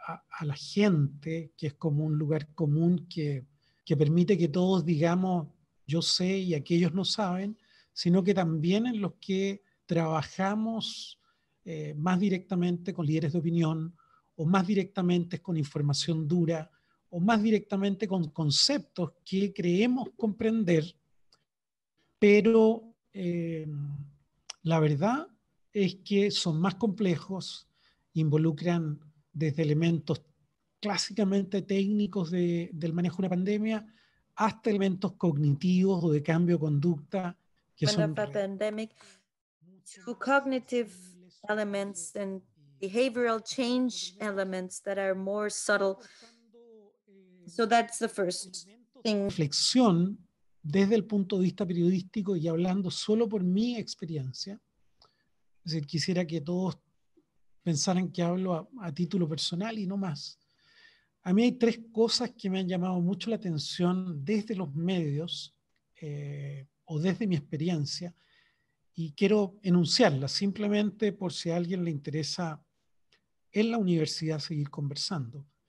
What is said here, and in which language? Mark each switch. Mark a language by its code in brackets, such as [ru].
[es] a la gente, que es como un lugar común que permite que todos digamos yo sé y aquellos no saben, sino que también en los que trabajamos más directamente con líderes de opinión, o más directamente con información dura, o más directamente con conceptos que creemos comprender, pero la verdad es que son más complejos, involucran desde elementos clásicamente técnicos del manejo de una pandemia hasta elementos cognitivos o de cambio de conducta que son [en] pandemic, to cognitive elements and behavioral change elements that are more subtle. So that's the first thing. [es] Reflexión desde el punto de vista periodístico y hablando solo por mi experiencia, es decir, quisiera que todos pensaran que hablo a título personal y no más. A mí hay tres cosas que me han llamado mucho la atención desde los medios o desde mi experiencia, y quiero enunciarlas simplemente por si a alguien le interesa en la universidad seguir conversando.